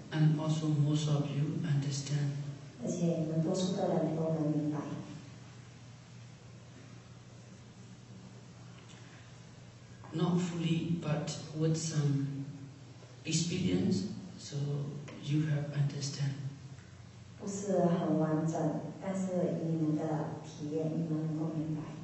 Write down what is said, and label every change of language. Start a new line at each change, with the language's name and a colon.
English: And also most of you understand.
Chinese: 而且你们多数的人都能明白。
English: Not fully, but with some experience, so you have understand.
Chinese: 不是很完整，但是以你们的体验，你们能够明白。